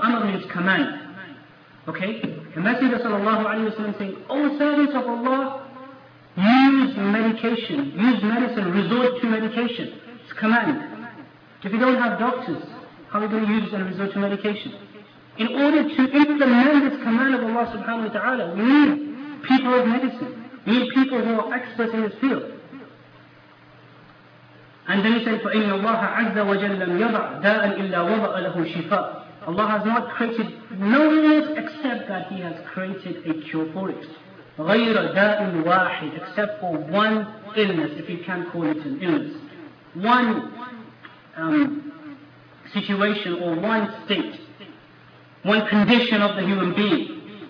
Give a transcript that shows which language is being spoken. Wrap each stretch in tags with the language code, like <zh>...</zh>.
<en>Amr means command. Okay? The Messenger sallallahu alayhi wa sallam saying, O servants of Allah, use medication, use medicine, resort to medication. It's a command. If you don't have doctors, how are you going to use and resort to medication? In order to implement this command of Allah subhanahu wa ta'ala, we need people of medicine. We need people who are experts in this field. And then he said,</en> <ar>فَإِنَّ اللَّهَ عَزَّ وَجَلَّ لَمْ يَضَعْ دَاءً إِلَّا وَضَعَ لَهُ شِفَاءً.</ar> <en>Allah has not created no illness except that He has created a cure for it.</en> <ar>غير داء واحد,</ar> <en>except for one illness, if you can call it an illness. One situation or one state, one condition of the human being.</en>